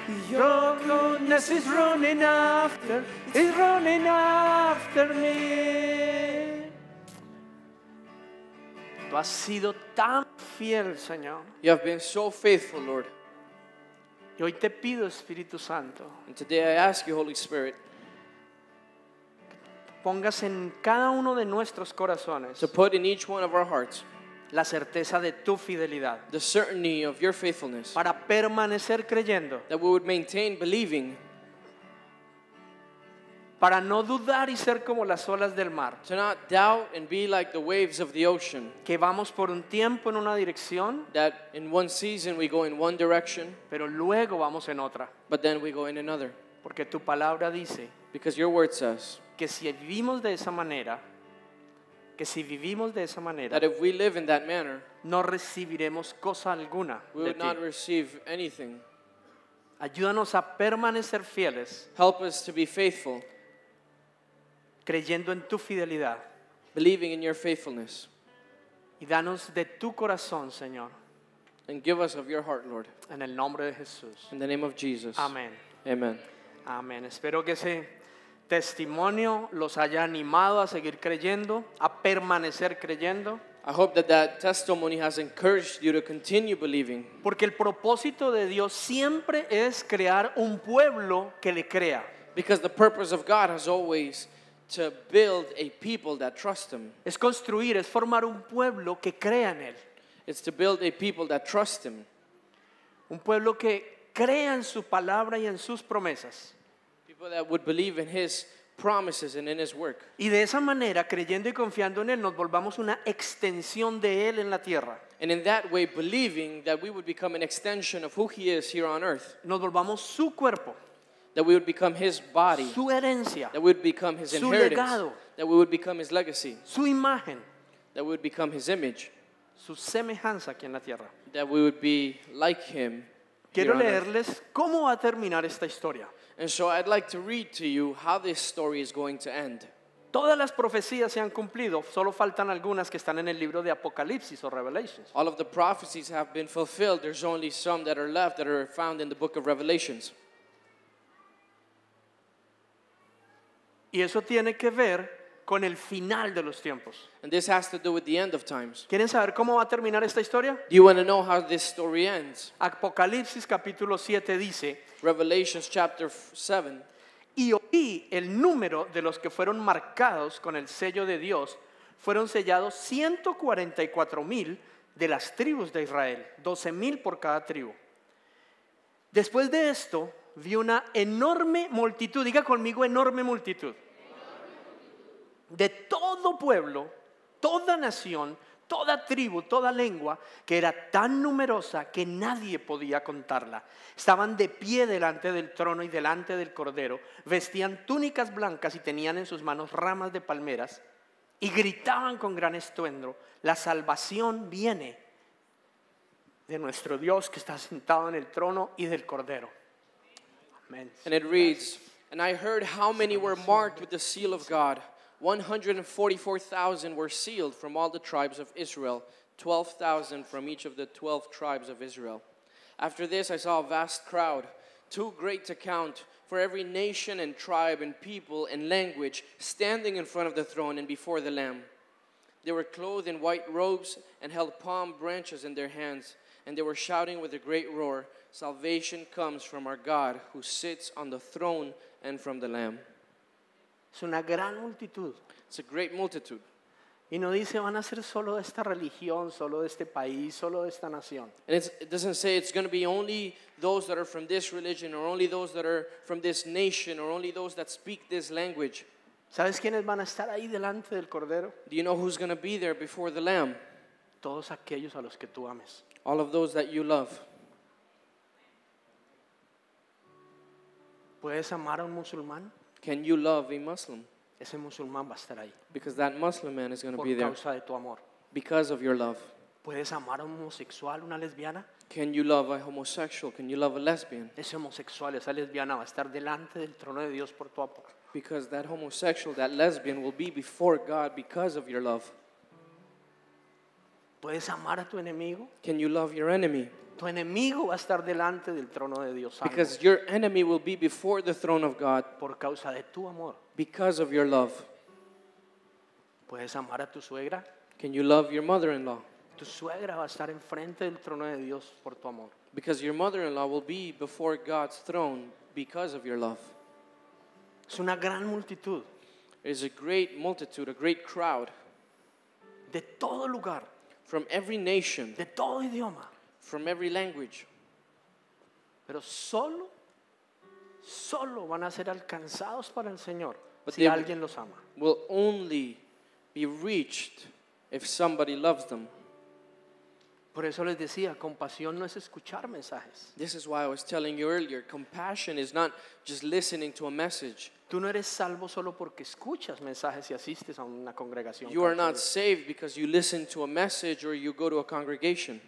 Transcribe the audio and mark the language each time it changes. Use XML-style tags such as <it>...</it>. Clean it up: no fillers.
<en>Your goodness is running after, is running after me.</en> <es>Tú has sido tan fiel, Señor.</es> <en>You have been so faithful, Lord.</en> <es>Y hoy te pido, Espíritu Santo.</es> <en>And today I ask you, Holy Spirit,</en> <es>pongas en cada uno de nuestros corazones</es> <en>to put in each one of our hearts</en> <es>la certeza de tu fidelidad,</es> <en>the certainty of your faithfulness,</en> <es>para permanecer creyendo,</es> <en>that we would maintain believing,</en> <es>para no dudar y ser como las olas del mar.</es> <en>To not doubt and be like the waves of the ocean.</en> <es>Que vamos por un tiempo en una dirección.</es> <en>That in one season we go in one direction.</en> <es>Pero luego vamos en otra.</es> <en>But then we go in another.</en> <es>Porque tu palabra dice.</es> <en>Because your word says.</en> <es>Que si vivimos de esa manera. Que si vivimos de esa manera.</es> <en>That if we live in that manner.</en> <es>No recibiremos cosa alguna de ti.</es> <en>We will not receive anything.</en> <es>Ayúdanos a permanecer fieles.</es> <en>Help us to be faithful.</en> <es>Creyendo en tu fidelidad.</es> <en>Believing in your faithfulness.</en> <es>Y danos de tu corazón, Señor.</es> <en>And give us of your heart, Lord.</en> <es>En el nombre de Jesús.</es> <en>In the name of Jesus.</en> <es>Amén.</es> <en>Amen.</en> <es>Amén. Espero que ese testimonio los haya animado a seguir creyendo, a permanecer creyendo.</es> <en>I hope that that testimony has encouraged you to continue believing.</en> <es>Porque el propósito de Dios siempre es crear un pueblo que le crea.</es> <en>Because the purpose of God has always to build a people that trust him.</en> <es>Es construir, es formar un pueblo que crea en él.</es> <en>It's to build a people that trust him.</en> <es>Un pueblo que crea en su palabra y en sus promesas.</es> <en>People that would believe in his promises and in his work.</en> <es>Y de esa manera, creyendo y confiando en él, nos volvamos una extensión de él en la tierra.</es> <en>And in that way, believing that we would become an extension of who he is here on earth.</en> <es>Nos volvamos su cuerpo.</es> <en>That we would become his body.</en> <es>Su herencia.</es> <en>That we would become his</en> <es>su</es> <en>inheritance.</en> <es>Legado.</es> <en>That we would become his legacy.</en> <es>Su imagen.</es> <en>That we would become his image.</en> <es>Su semejanza aquí en la tierra.</es> <en>That we would be like him.</en> <es>Quiero leerles cómo va a terminar esta historia.</es> <en>And so I'd like to read to you how this story is going to end.</en> <es>Todas las profecías se han cumplido, solo faltan algunas que están en el libro de Apocalipsis o Revelations.</es> <en>All of the prophecies have been fulfilled. There's only some that are left that are found in the book of Revelations.</en> <es>Y eso tiene que ver con el final de los tiempos.</es> <en>And this has to do with the end of times.</en> <es>¿Quieren saber cómo va a terminar esta historia?</es> <en>Do you want to know how this story ends?</en> <es>Apocalipsis capítulo 7 dice,</es> <en>Revelations chapter 7,</en> <es>Y oí el número de los que fueron marcados con el sello de Dios. Fueron sellados 144,000 de las tribus de Israel, 12,000 por cada tribu. Después de esto, vi una enorme multitud, diga conmigo, enorme multitud. De todo pueblo, toda nación, toda tribu, toda lengua, que era tan numerosa que nadie podía contarla. Estaban de pie delante del trono y delante del cordero, vestían túnicas blancas y tenían en sus manos ramas de palmeras y gritaban con gran estruendo: la salvación viene de nuestro Dios que está sentado en el trono y del cordero.</es> <en>Amen. And it reads, and I heard how many were marked with the seal of God. 144,000 were sealed from all the tribes of Israel, 12,000 from each of the 12 tribes of Israel. After this, I saw a vast crowd, too great to count, for every nation and tribe and people and language standing in front of the throne and before the Lamb. They were clothed in white robes and held palm branches in their hands, and they were shouting with a great roar, salvation comes from our God who sits on the throne and from the Lamb.</en> <es>Es una gran multitud.</es> <en>It's a great multitude.</en> <es>Y no dice van a ser solo de esta religión, solo de este país, solo de esta nación.</es> <en>And it doesn't say it's going to be only those that are from this religion or only those that are from this nation or only those that speak this language.</en> <es>¿Sabes quiénes van a estar ahí delante del Cordero?</es> <en>Do you know who's going to be there before the Lamb?</en> <es>Todos aquellos a los que tú ames.</es> <en>All of those that you love.</en> <es>¿Puedes amar a un musulmán?</es> <en>Can you love a Muslim?</en> <es>Ese musulmán va a estar ahí.</es> <en>Because that Muslim man is going to</en> <es>por</es> <en>be there.</en> <es>Por causa de tu amor.</es> <en>Because of your love.</en> <es>¿Puedes amar a un homosexual, una lesbiana?</es> <en>Can you love a homosexual? Can you love a lesbian?</en> <es>Ese homosexual, esa lesbiana va a estar delante del trono de Dios por tu amor.</es> <en>Because that homosexual, that lesbian will be before God because of your love.</en> <es>¿Puedes amar a tu enemigo?</es> <en>Can you love your enemy?</en> <es>Tu enemigo va a estar delante del trono de Dios.</es> <en>Because your enemy will be before the throne of God.</en> <es>Por causa de tu amor.</es> <en>Because of your love.</en> <es>¿Puedes amar a tu suegra?</es> <en>Can you love your mother-in-law?</en> <es>Tu suegra va a estar enfrente del trono de Dios por tu amor.</es> <en>Because your mother-in-law will be before God's throne because of your love.</en> <es>Es una gran multitud.</es> <en>It is a great multitude, a great crowd.</en> <es>De todo lugar.</es> <en>From every nation.</en> <es>De todo idioma.</es> <en>From every language.</en> <es>Pero solo van a ser alcanzados para el Señor si alguien los ama.</es> <en>Will only be reached if somebody loves them.</en> <es>Por eso les decía, compasión no es escuchar mensajes.</es> <en>This is why I was telling you earlier, compassion is not just listening to a message.</en> <es>Tú no eres salvo solo porque escuchas mensajes y asistes a una congregación.</es> <en>You are not saved because you listen to a message or you go to a congregation.</en>